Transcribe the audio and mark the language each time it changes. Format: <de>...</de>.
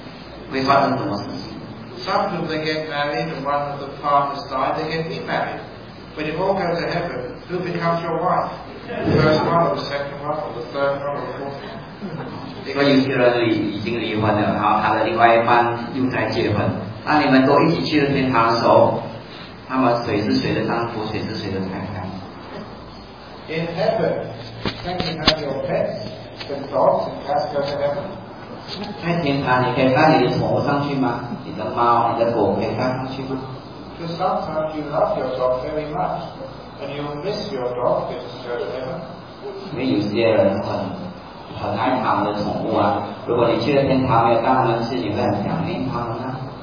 <zh>啊，你们有些人已经离婚了，想看如果你去了天堂，而你的离婚的另一方也去了天堂，会发生什么事情？</zh> <en>Some of them get married, and one of the partners die, they get remarried. But if all goes to heaven, who becomes your wife? The first one, or the second one, or the third one, or the fourth one?</en> <zh>所以有些人已经离婚了，然后他的另外一半又在结婚。那你们都一起去了天堂的时候，那么谁是谁的丈夫，谁是谁的太太？</zh> <en>In heaven, can you have your pets, the dogs and cats go to heaven?</en> <zh>在天堂，你可以带你的宠物上去吗？你的猫、你的狗可以带上去吗？</zh> <en>Because sometimes you love your dog very much, and you'll miss your dog if it's going to heaven.</en> <zh>因为有些人很爱他们的宠物啊，如果你去了天堂没有带他们去，你会很想念他们啊。</zh>